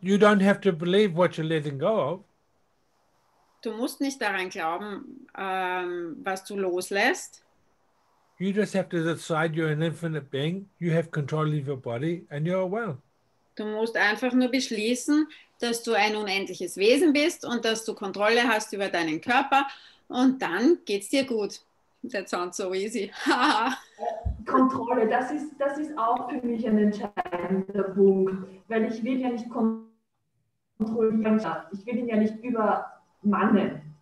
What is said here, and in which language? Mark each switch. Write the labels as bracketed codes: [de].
[en] You don't have to believe what you're letting go of. [de] Du musst nicht daran glauben, was du loslässt. [en] You just have to decide you're an infinite being, you have control of your body, and you are well. [de] Du musst einfach nur beschließen, dass du ein unendliches Wesen bist und dass du Kontrolle hast über deinen Körper und dann geht's dir gut. [en] That sounds so easy. [de] Kontrolle, das ist auch für mich ein entscheidender Punkt, weil ich will ja nicht kontrollieren, ich will ihn ja nicht übermannen.